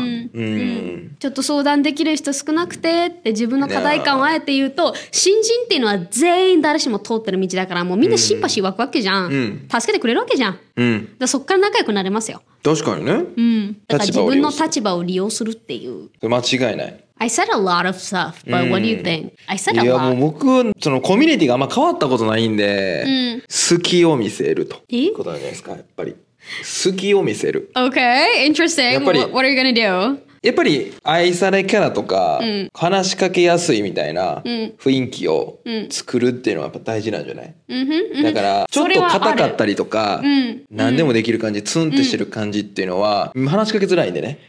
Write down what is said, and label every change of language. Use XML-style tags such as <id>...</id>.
<ja>ちょっと相談できる人少なくてって自分の課題感をあえて言うと、新人っていうのは全員誰しも通ってる道だから、もうみんなシンパシー湧くわけじゃん。助けてくれるわけじゃん。だそっから仲良くなれますよ。確かにね。だから自分の立場を利用するっていう。間違いない。</ja> <en>I said a lot of stuff, but what do you think? I said a lot.</en> <ja>いやもう僕はそのコミュニティがあんま変わったことないんで、好きを見せるということなんじゃないですか、やっぱり。好きを見せる。</ja> <en>Okay, interesting.</en> <ja>やっぱり、</ja> <en>what are you gonna do?</en> <ja>やっぱり愛されキャラとか、話しかけやすいみたいな雰囲気を作るっていうのはやっぱ大事なんじゃない、だから、ちょっと硬かったりとか、何でもできる感じ、ツンってしてる感じっていうのは、話しかけづらいんでね。</ja>